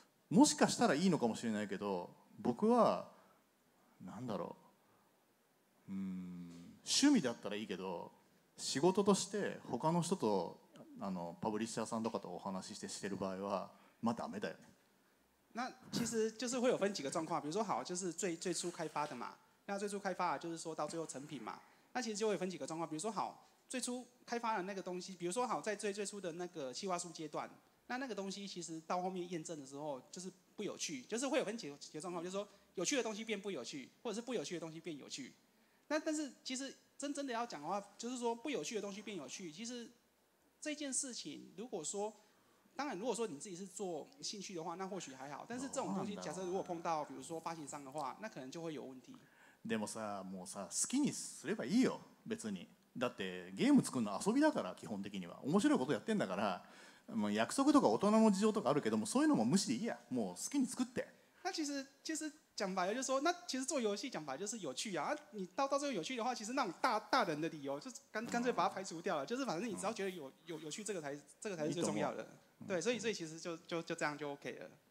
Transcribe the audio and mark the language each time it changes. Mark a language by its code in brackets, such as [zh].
[ja] もしかしたらいいのかもしれないけど、僕はなんだろう、趣味だったらいいけど仕事として他の人とあのパブリッシャーさんとかとお話ししてしてる場合はまあダメだよね。 [zh] 那其实就是会有分几个状况，比如说好，就是最初开发的嘛。那最初开发就是说到最后成品嘛。那其实就会分几个状况，比如说好，最初开发的那个东西，比如说好在最初的那个企划书阶段，那个东西其实到后面验证的时候就是不有趣，就是会有分几个状况，就是说有趣的东西变不有趣，或者是不有趣的东西变有趣。那但是其实真的要讲的话，就是说不有趣的东西变有趣，其实这件事情如果说。当然，如果说你自己是做兴趣的话，那或许还好。但是这种东西，假设如果碰到，比如说发行商的话，那可能就会有问题。 [ja] でもさ、もうさ、好きにすればいいよ、別に。だってゲーム作るの遊びだから、基本的には面白いことやってんだから、もう約束とか大人の事情とかあるけども、そういうのも無視でいいや。もう好きに作って。 [zh] 那其实讲白了，就是说，那其实做游戏讲白就是有趣啊。你到最后有趣的话，其实那种大人的理由，就干脆把它排除掉了。就是反正你只要觉得有趣，这个才是最重要的。对，所以其实就这样就 OK 了。